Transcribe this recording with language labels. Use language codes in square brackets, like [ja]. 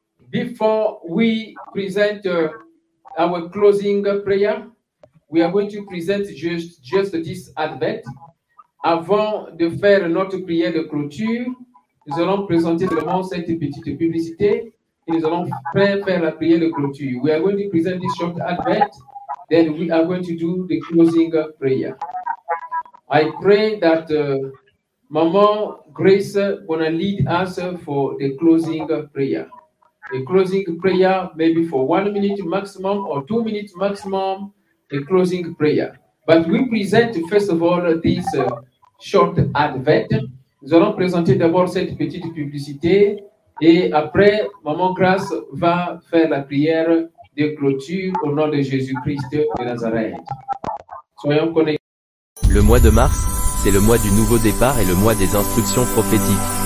[en] Before we present our closing prayer, we are going to present just this advent. [fr] Avant de faire notre prière de clôture, nous allons présenter vraiment cette petite publicité et nous allons faire la prière de clôture. [en] We are going to present this short advent, then we are going to do the closing prayer. I pray that Mama Grace gonna lead us for the closing prayer. The closing prayer, maybe for 1 minute maximum or 2 minutes maximum, the closing prayer. But we present first of all this short advent. [fr] Nous allons présenter d'abord cette petite publicité et après, Maman Grace va faire la prière de clôture au nom de Jésus-Christ de Nazareth. Soyons connectés. Le mois de mars, c'est le mois du nouveau départ et le mois des instructions prophétiques.